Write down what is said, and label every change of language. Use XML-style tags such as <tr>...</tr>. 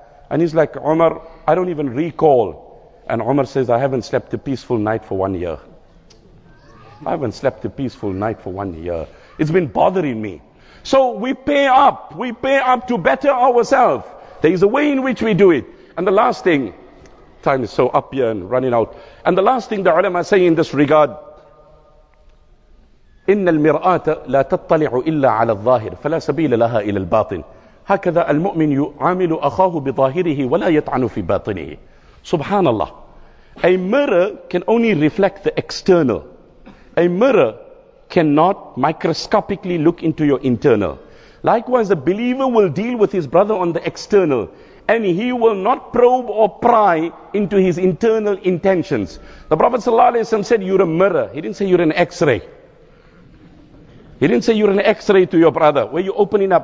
<en>And he's like, Umar, I don't even recall. And Umar says, I haven't slept a peaceful night for 1 year. I haven't slept a peaceful night for 1 year. It's been bothering me. So we pay up. We pay up to better ourselves. There is a way in which we do it. And the last thing, time is so up here and running out. And the last thing the ulama say in this regard,</en> <ar>إِنَّ الْمِرْآةَ لَا تَطَّلِعُ إِلَّا عَلَى الظَّاهِرِ فَلَا سَبِيلَ لَهَا إِلَى الْبَاطِنِ هَكَذَا الْمُؤْمِنُ يُعَامِلُ أَخَاهُ بِظَاهِرِهِ وَلَا يَطْعَنُ فِي بَاطِنِهِ.</ar> <en>Subhanallah. A mirror can only reflect the external. A mirror cannot microscopically look into your internal. Likewise, a believer will deal with his brother on the external, and he will not probe or pry into his internal intentions. The Prophet ﷺ said, you're a mirror. He didn't say you're an x-ray. He didn't say you're an x-ray to your brother. Where you opening up?</en>